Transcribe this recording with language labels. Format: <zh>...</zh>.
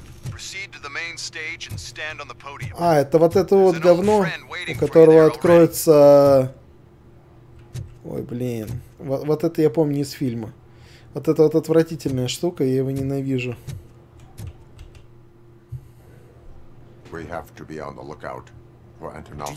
<en>Proceed to the main stage and stand on the podium.</en> <ru>А, это вот это вот говно, у которого откроется... Ой, блин. Вот это я помню из фильма. Вот это вот отвратительная штука, я его ненавижу.</ru> <en>We have to be on the lookout for Antonovsky.</en>